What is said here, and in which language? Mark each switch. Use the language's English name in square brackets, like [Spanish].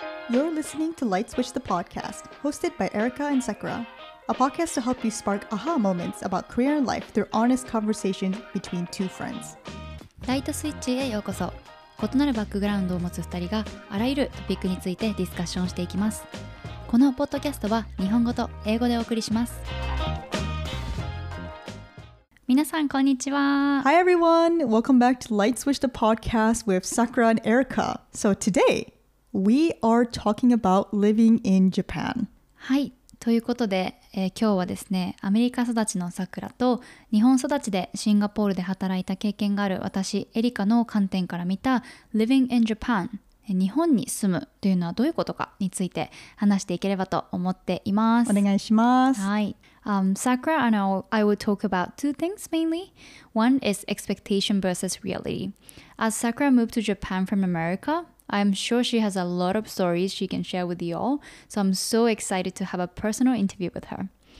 [English] You're listening to Light Switch the Podcast, hosted by Erica and Sakura, a podcast to help you spark aha moments about career and life through honest conversations between two friends. [Japanese] Light Switch へようこそ。異なるバックグラウンドを持つ2人があらゆるトピックについてディスカッションしていきます。このポッドキャストは日本語と英語でお送りします。皆さんこんにちは。 [English] Hi everyone! Welcome back to Light Switch the Podcast with Sakura and Erica. So today, we are talking about living in Japan. [Japanese] はい。ということで、今日はですね、アメリカ育ちのさくらと日本育ちでシンガポールで働いた経験がある私、エリカの観点から見た [English] Living in Japan、 [Japanese] 日本に住むというのはどういうことかについて話していければと思っています。お願いします。はい。 [English] Sakura, I will talk about two things mainly. One is expectation versus reality. As Sakura moved to Japan from America, I'm sure she has a lot of stories she can share with you all, so I'm so excited to have a personal interview with her.